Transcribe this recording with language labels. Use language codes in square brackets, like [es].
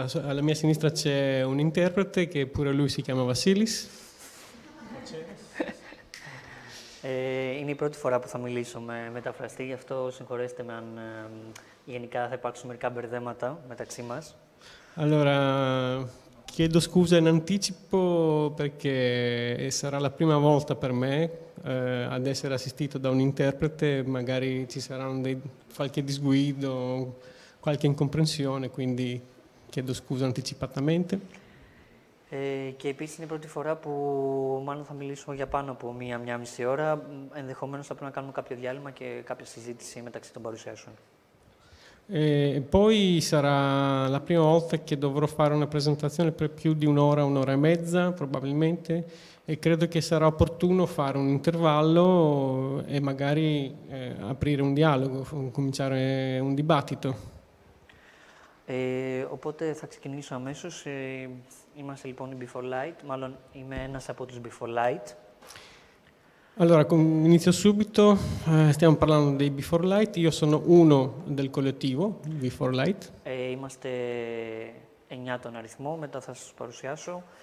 [it] Alla mia sinistra c'è un interprete che pure lui si chiama Vassilis. [el] Είναι η πρώτη φορά που θα μιλήσω με μεταφραστή, γι' αυτό συγχωρέστε με αν γενικά θα υπάρξουν μερικά μπερδέματα μεταξύ μας. [it] Allora, chiedo scusa in anticipo perché sarà la prima volta per me ad essere assistito da un interprete, magari ci saranno qualche disguido, qualche incomprensione, quindi chiedo scusa anticipatamente. [el] Και επίσης είναι η πρώτη φορά που μάλλον θα μιλήσουμε για πάνω από μία-μία μισή ώρα. Ενδεχομένως θα πρέπει να κάνουμε κάποιο διάλειμμα και κάποια συζήτηση μεταξύ των παρουσιάσεων. [it] Poi sarà la prima volta che dovrò fare una presentazione per più di un'ora, un'ora e mezza probabilmente, e credo che sarà opportuno fare un intervallo e magari aprire un dialogo, cominciare un dibattito. [el] Οπότε θα ξεκινήσω αμέσως. Είμαστε λοιπόν οι Before Light, μάλλον είμαι ένας από τους Before Light. [it] Allora, inizio subito. Stiamo parlando dei Before Light. Io sono uno del collettivo Before Light. [el] Είμαστε 9 τον αριθμό, μετά θα σας παρουσιάσω.